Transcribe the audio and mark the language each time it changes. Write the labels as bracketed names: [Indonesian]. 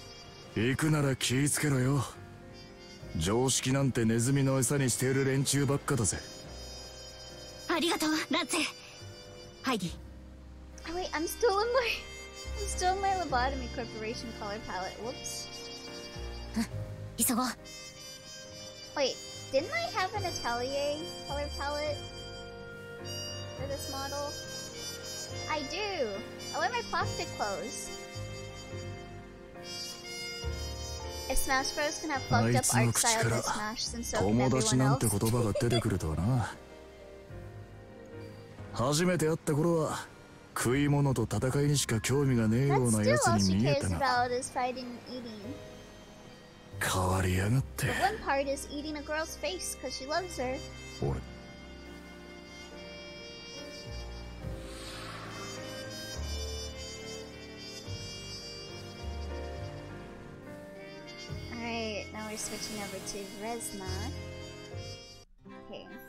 [Japanese] お前。わかった。店はあそこだ。行くなら気ぃつけろよ。常識なんてネズミの餌にしている連中ばっかだぜ。ありがとう、ランツェ。ハイディ。 [English] Wait, I'm still in my lobotomy corporation color palette. Whoops. [Japanese] 急ごう。 [English] Wait, didn't I have an Atelier color palette for this model? I do. I wear my plastic clothes. If Smash Bros. Can have fucked up art style to Smash, then so can everyone else. [Japanese] 初めて会った頃は食い物と戦いにしか興味がねえようなやつに見えたが、変わりやがって。 [English] The one part is eating a girl's face because she loves her. [Japanese] 俺 [English] Alright, now we're switching over to Resma. Okay.